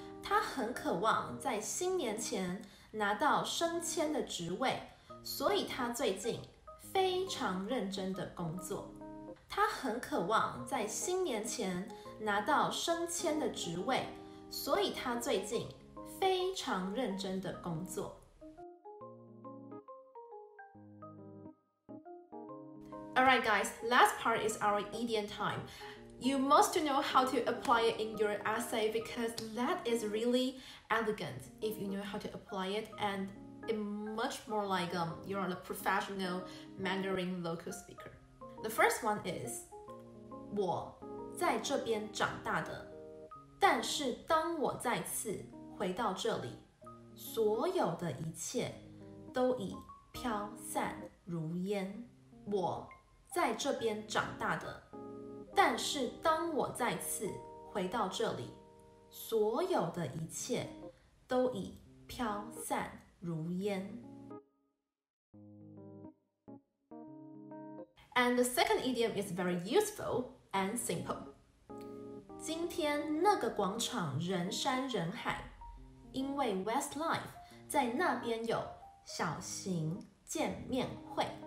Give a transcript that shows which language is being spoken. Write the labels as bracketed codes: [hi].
[zh] 他很渴望在新年前拿到升迁的职位，所以他最近非常认真的工作。他很渴望在新年前拿到升迁的职位，所以他最近非常认真的工作。 [en] Alright guys, last part is our idiom time. You must know how to apply it in your essay because that is really elegant if you know how to apply it, and it's much more like you're a professional Mandarin local speaker. The first one is [zh] 我在这边长大的，但是当我再次回到这里，所有的一切都已飘散如烟。我在这边长大的，但是当我再次回到这里，所有的一切都已飘散如烟。 [en] And the second idiom is very useful and simple. [zh] 今天那个广场人山人海，因为 Westlife 在那边有小型见面会。